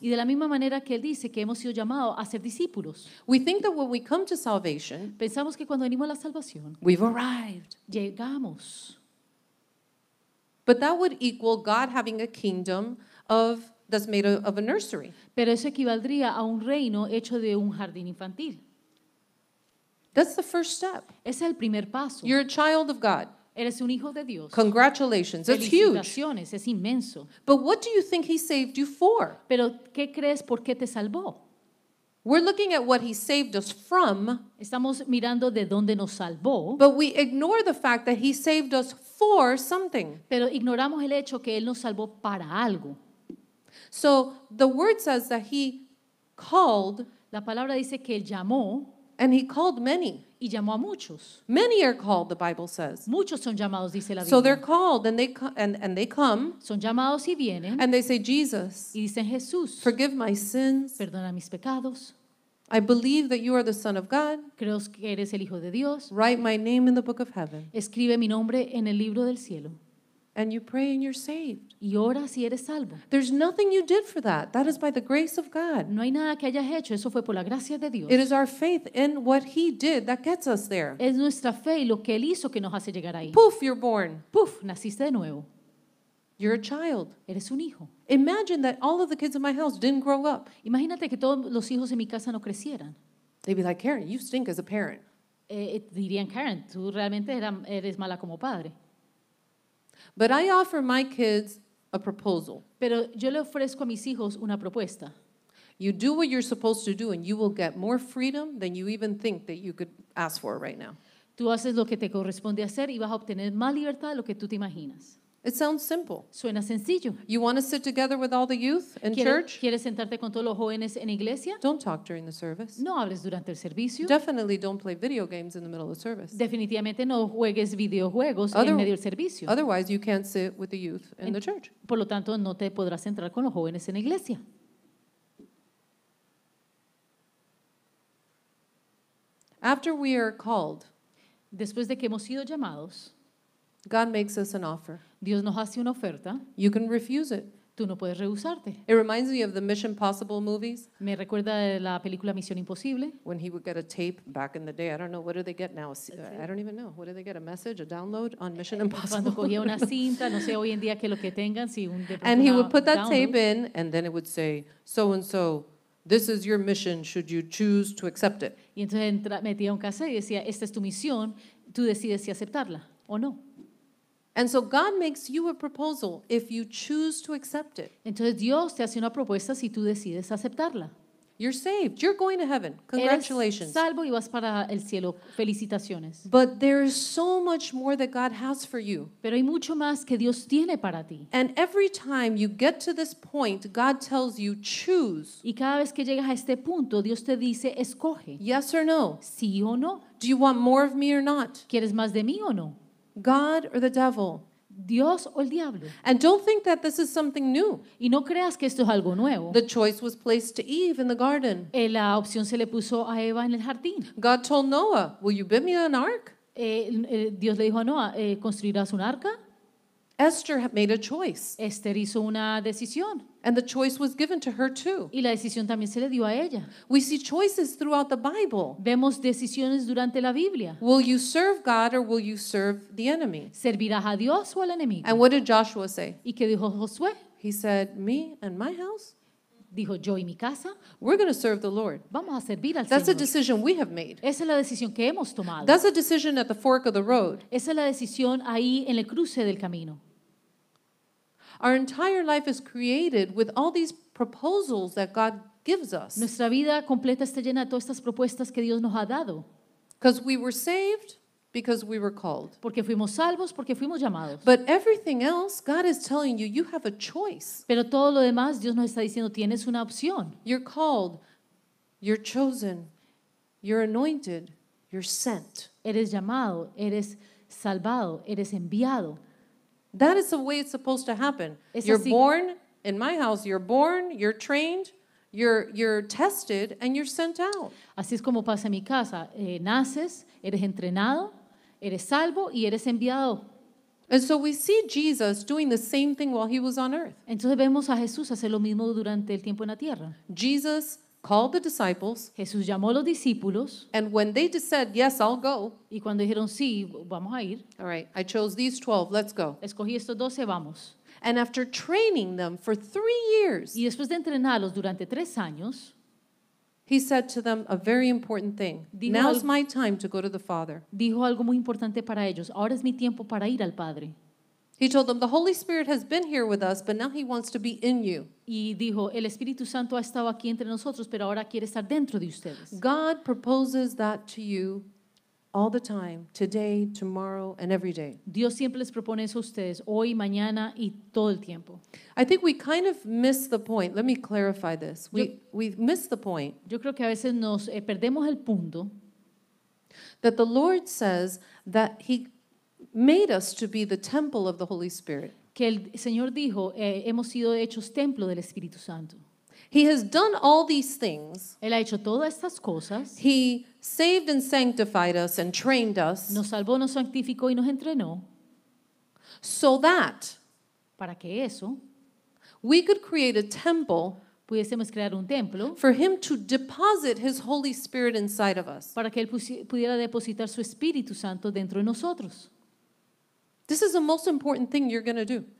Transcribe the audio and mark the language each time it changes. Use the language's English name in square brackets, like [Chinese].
[Spanish] Y de la misma manera que él dice que hemos sido llamados a ser discípulos. [English] We think that when we come to salvation. [Spanish] Pensamos que cuando venimos a la salvación. [English] We've arrived. [Spanish] Llegamos. [English] But that would equal God having a kingdom of that's made of a nursery. [Spanish] Pero eso equivaldría a un reino hecho de un jardín infantil. [English] That's the first step. [Spanish] Es el primer paso. [English] You're a child of God. [Spanish] Eres un hijo de Dios. [English] Congratulations. That's huge. [Spanish] Es inmenso. [English] But what do you think he saved you for? [Spanish] Pero ¿qué crees por qué te salvó? [English] We're looking at what he saved us from. [Spanish] Estamos mirando de dónde nos salvó. [English] But we ignore the fact that he saved us for something. [Spanish] Pero ignoramos el hecho que él nos salvó para algo. [English] So the word says that he called. [Spanish] La palabra dice que él llamó. [English] And he called many. [Spanish] Y llamó a muchos. [English] Many are called, the Bible says. [Spanish] Muchos son llamados, dice la Biblia. [English] So they're called and they come. [Spanish] Son llamados y vienen. [English] And they say, Jesus. [Spanish] Y dicen, Jesús. [English] Forgive my sins. [Spanish] Perdona mis pecados. [English] I believe that you are the Son of God. [Spanish] Creo que eres el Hijo de Dios. [English] Write my name in the book of heaven. [Spanish] Escribe mi nombre en el libro del cielo. [English] And you pray and you're saved. [Spanish] Y oras y eres salvo. [English] There's nothing you did for that. That is by the grace of God. [Spanish] No hay nada que hayas hecho. Eso fue por la gracia de Dios. [English] It is our faith in what he did that gets us there. [Spanish] Es nuestra fe y lo que él hizo que nos hace llegar ahí. [English] Poof, you're born. [Spanish] Poof, naciste de nuevo. [English] You're a child. [Spanish] Eres un hijo. [English] Imagine that all of the kids in my house didn't grow up. [Spanish] Imagínate que todos los hijos en mi casa no crecieran. [English] They'd be like, Karen, you stink as a parent. [Spanish] Dirían, Karen, tú realmente eres mala como padre. [English] But I offer my kids a proposal. [Spanish] Pero yo le ofrezco a mis hijos una propuesta. [English] You do what you're supposed to do and you will get more freedom than you even think that you could ask for right now. [Spanish] Tú haces lo que te corresponde hacer y vas a obtener más libertad de lo que tú te imaginas. [English] It sounds simple. [Spanish] Suena sencillo. [English] You want to sit together with all the youth in church? [Spanish] ¿Quieres sentarte con todos los jóvenes en iglesia? [English] Don't talk during the service. [Spanish] No hables durante el servicio. [English] Definitely don't play video games in the middle of the service. [Spanish] Definitivamente no juegues videojuegos en medio del servicio. [English] Otherwise, you can't sit with the youth in the church. [Spanish] Por lo tanto, no te podrás sentar con los jóvenes en iglesia. [English] After we are called, [Spanish] después de que hemos sido llamados, [English] God makes us an offer. [Spanish] Dios nos hace una oferta. [English] You can refuse it. [Spanish] Tú no puedes rehusarte. [English] It reminds me of the Mission Impossible movies. [Spanish] Me recuerda de la película Misión Imposible. [English] When he would get a tape back in the day. I don't know, what do they get now? I don't even know. What do they get, a message, a download on Mission Impossible? [Spanish] Cuando cogía una cinta, no sé hoy en día qué lo que tengan. Si un [English] de and he would put that download. Tape in and then it would say, so and so, this is your mission, should you choose to accept it? [Spanish] Y entonces metía un cassette y decía, esta es tu misión, tú decides si aceptarla o no. [English] And so God makes you a proposal if you choose to accept it. [Spanish] Entonces Dios te hace una propuesta si tú decides aceptarla. [English] You're saved. You're going to heaven. Congratulations. [Spanish] Eres salvo y vas para el cielo. Felicitaciones. [English] But there is so much more that God has for you. [Spanish] Pero hay mucho más que Dios tiene para ti. [English] And every time you get to this point, God tells you, choose. [Spanish] Y cada vez que llegas a este punto, Dios te dice, escoge. [English] Yes or no? [Spanish] Sí o no. [English] Do you want more of me or not? [Spanish] ¿Quieres más de mí o no? [English] God or the devil? [Spanish] Dios o el diablo. [English] And don't think that this is something new. [Spanish] Y no creas que esto es algo nuevo. [English] The choice was placed to Eve in the garden. [Spanish] La opción se le puso a Eva en el jardín. [English] God told Noah, "Will you build me an ark?" [Spanish] Dios le dijo a Noah, ¿construirás un arca? [English] Esther made a choice. [Spanish] Esther hizo una decisión. [English] And the choice was given to her too. [Spanish] Y la decisión también se le dio a ella. [English] We see choices throughout the Bible. [Spanish] Vemos decisiones durante la Biblia. [English] Will you serve God or will you serve the enemy? [Spanish] ¿Servirás a Dios o al enemigo? [English] And what did Joshua say? [Spanish] ¿Y qué dijo Josué? [English] He said, "Me and my house." [Spanish] Dijo, yo y mi casa. [English] We're going to serve the Lord. [Spanish] Vamos a servir al [English] That's [Spanish] Señor. [English] A decision we have made. [Spanish] Esa es la decisión que hemos tomado. [English] That's a decision at the fork of the road. [Spanish] Esa es la decisión ahí en el cruce del camino. [English] Our entire life is created with all these proposals that God gives us. [Spanish] Nuestra vida completa está llena de todas estas propuestas que Dios nos ha dado. [English] Because we were saved because we were called. [Spanish] Porque fuimos salvos, porque fuimos llamados. [English] But everything else, God is telling you, you have a choice. [Spanish] Pero todo lo demás, Dios nos está diciendo, tienes una opción. [English] You're called, you're chosen, you're anointed, you're sent. [Spanish] Eres llamado, eres salvado, eres enviado. [English] That is the way it's supposed to happen. You're born in my house. You're born, you're trained, you're tested, and you're sent out. [Spanish] Así es como pasa en mi casa. Naces, eres entrenado, eres salvo, y eres enviado. [English] And so we see Jesus doing the same thing while he was on earth. [Spanish] Entonces vemos a Jesús hacer lo mismo durante el tiempo en la tierra. [English] Jesus called the disciples. [Spanish] Jesús llamó a los discípulos. [English] And when they said, "Yes, I'll go." [Spanish] Y cuando dijeron sí, vamos a ir. [English] All right, I chose these 12. Let's go. [Spanish] Escogí estos 12, vamos. [English] And after training them for 3 years. [Spanish] Y después de entrenarlos durante 3 años, [English] he said to them a very important thing. Now's my time to go to the Father. [Spanish] Dijo algo muy importante para ellos. Ahora es mi tiempo para ir al Padre. [English] He told them, "The Holy Spirit has been here with us, but now he wants to be in you." [Spanish] Y dijo, el Espíritu Santo ha estado aquí entre nosotros, pero ahora quiere estar dentro de ustedes. [English] God proposes that to you all the time, today, tomorrow, and every day. [Spanish] Dios siempre les propone eso a ustedes, hoy, mañana, y todo el tiempo. [English] I think we kind of miss the point. Let me clarify this. We miss the point. [Spanish] Yo creo que a veces nos perdemos el punto. [English] That the Lord says that he made us to be the temple of the Holy Spirit. [Spanish] Que el Señor dijo, hemos sido hechos templo del Espíritu Santo. [English] He has done all these things. [Spanish] Él ha hecho todas estas cosas. [English] He saved and sanctified us and trained us. [Spanish] Nos salvó, nos santificó y nos entrenó. [English] So that, [Spanish] para que eso, [English] we could create a temple. [Spanish] Pudiésemos crear un templo. [English] For him to deposit his Holy Spirit inside of us. [Spanish] Para que él pudiera depositar su Espíritu Santo dentro de nosotros. [English] This is the most important thing you're going to do.